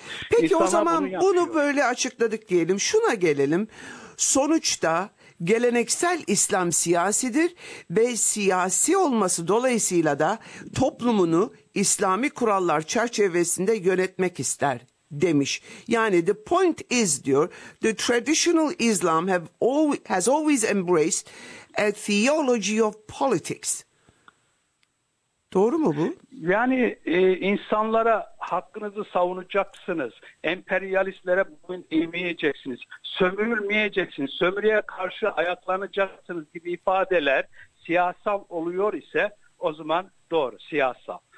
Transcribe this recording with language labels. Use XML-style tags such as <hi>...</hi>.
<tr>Peki İnsanlar o zaman bunu böyle açıkladık diyelim. Şuna gelelim. Sonuçta geleneksel İslam siyasidir ve siyasi olması dolayısıyla da toplumunu İslami kurallar çerçevesinde yönetmek ister demiş.</tr> <en>Yani the point is diyor, the traditional Islam has always embraced a theology of politics.</en> <tr>Doğru mu bu? Yani insanlara hakkınızı savunacaksınız. Emperyalistlere boyun eğmeyeceksiniz. Sömürülmeyeceksiniz. Sömürüye karşı ayaklanacaksınız gibi ifadeler siyasal oluyor ise o zaman doğru, siyasal.</tr>